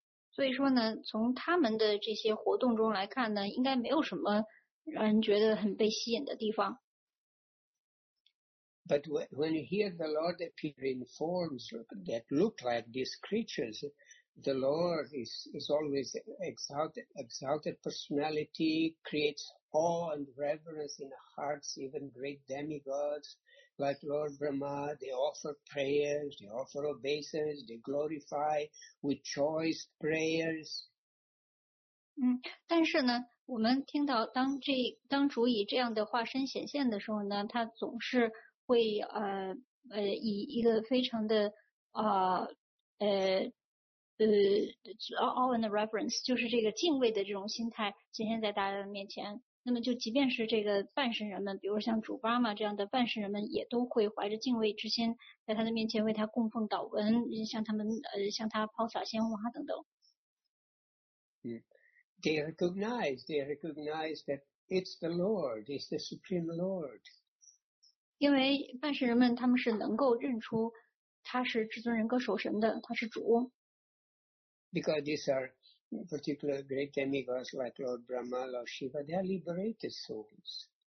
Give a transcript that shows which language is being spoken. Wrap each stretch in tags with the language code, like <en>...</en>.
<zh>所以说呢从他们的这些活动中来看呢应该没有什么让人觉得很被吸引的地方。</zh> <en>But when you hear the Lord appear in forms that look like these creatures, the Lord is always exalted personality, creates awe and reverence in the hearts, even great demigods like Lord Brahma. They offer prayers, they offer obeisance, they glorify with choice prayers.</en> <zh>但是呢，我们听到当主以这样的化身显现的时候呢，他总是会以一个非常的</zh> <en>awe and reverence，</en> <zh>就是这个敬畏的这种心态显现在大家的面前。那么就即便是这个半神人们，比如像主巴玛这样的半神人们，也都会怀着敬畏之心在他的面前为他供奉祷文，向他们向他抛洒鲜花等等。</zh> <en>They recognize, they recognize that it's the Lord, it's the Supreme Lord.</en> <zh>因为半神人们他们是能够认出他是至尊人格守神的，他是主。</zh> <en>Because these are particular great demigods like Lord Brahma, Lord Shiva, they are liberated souls.</en>